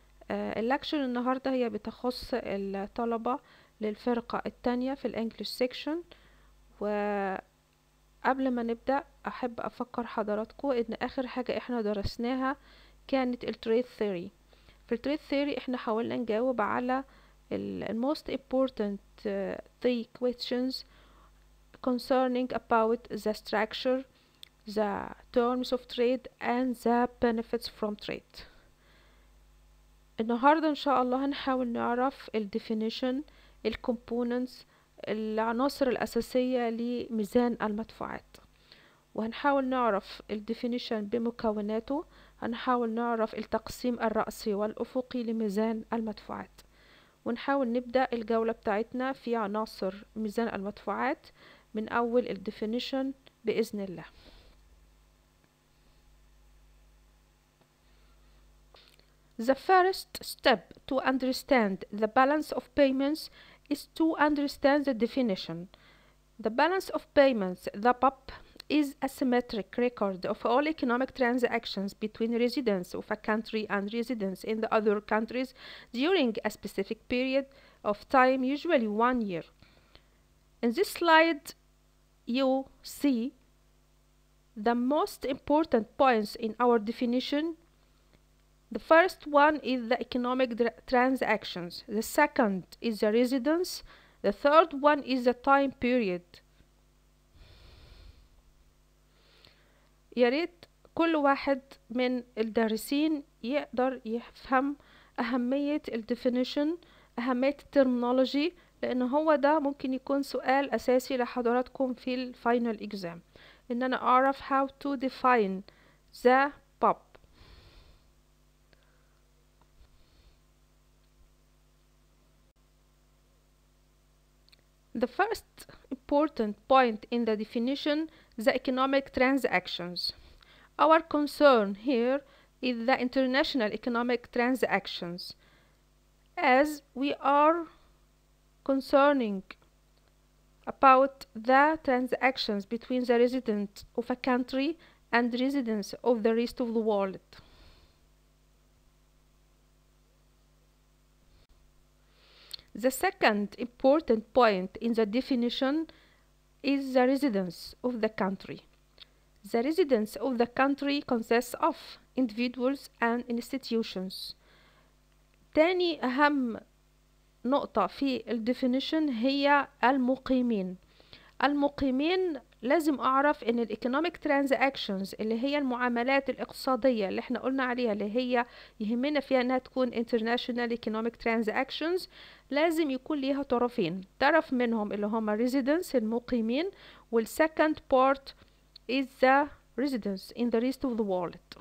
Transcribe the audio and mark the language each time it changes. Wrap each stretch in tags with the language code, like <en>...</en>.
<ar>اللكشن النهاردة هي بتخص الطلبة للفرقة الثانية في الانجليش سيكشن. و قبل ما نبدأ أحب أفكر حضراتكم إن آخر حاجة إحنا درسناها كانت التريد ثيري. في التريد ثيري إحنا حاولنا نجاوب على ال</ar> <en>most important three questions concerning about the structure, the terms of trade and the benefits from trade.</en> <ar>النهاردة إن شاء الله هنحاول نعرف ال definition, ال components, العناصر الأساسية لميزان المدفوعات، وهنحاول نعرف الـ definition بمكوناته، هنحاول نعرف التقسيم الرأسي والأفقي لميزان المدفوعات، ونحاول نبدأ الجولة بتاعتنا في عناصر ميزان المدفوعات من أول الـ definition بإذن الله.</ar> <en>The first step to understand the balance of payments is to understand the definition. The balance of payments, the BOP, is a symmetric record of all economic transactions between residents of a country and residents in the other countries during a specific period of time, usually 1 year. In this slide, you see the most important points in our definition. The first one is the economic transactions. The second is the residence. The third one is the time period.</en> <ar>يا ريت كل واحد من الدارسين يقدر يفهم أهمية الـ definition، أهمية الـ terminology، لأن هو ده ممكن يكون سؤال أساسي لحضراتكم في الـ final exam. إن أنا أعرف</ar> <en>how to define the POP. The first important point in the definition, the economic transactions. Our concern here is the international economic transactions, as we are concerning about the transactions between the resident of a country and residents of the rest of the world. The second important point in the definition is the residence of the country. The residence of the country consists of individuals and institutions.</en> <ar>تاني أهم نقطة في الـ definition هي المقيمين. المقيمين لازم أعرف إن الـ economic transactions اللي هي المعاملات الاقتصادية اللي إحنا قلنا عليها اللي هي يهمنا فيها إنها تكون</ar> <en>international economic transactions</en> <ar>لازم يكون ليها طرفين، طرف منهم اللي هما residents المقيمين، والـ</ar> <en>second part is the residents in the rest of the world.</en>